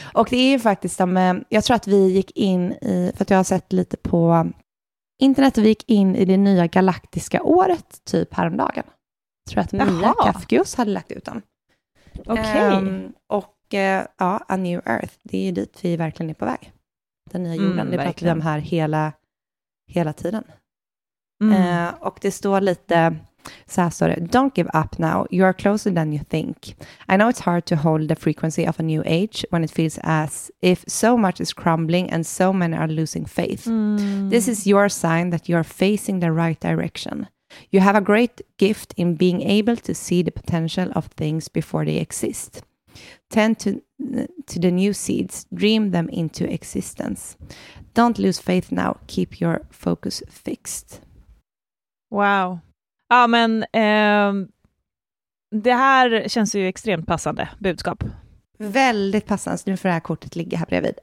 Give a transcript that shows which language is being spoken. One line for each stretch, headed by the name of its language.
Swedish: Och det är ju faktiskt, jag tror att vi gick in i, för att jag har sett lite på internet, vi gick in i det nya galaktiska året typ häromdagen. Jag tror att Mia Kafkius hade lagt ut dem. Okej. Okay. Och A New Earth, det är ju dit vi verkligen är på väg. Den nya jorden, det pratar vi om här hela tiden. Och det står lite, så här står det,
English: don't give up now, you are closer than you think. I know it's hard to hold the frequency of a new age when it feels as if so much is crumbling and so many are losing faith. This is your sign that you are facing the right direction. You have a great gift in being able to see the potential of things before they exist. Tend to the new seeds, dream them into existence. Don't lose faith now, keep your focus fixed. Wow.
Swedish: Ja, men det här känns ju extremt passande budskap. Väldigt passande, så nu får det här kortet ligga här bredvid.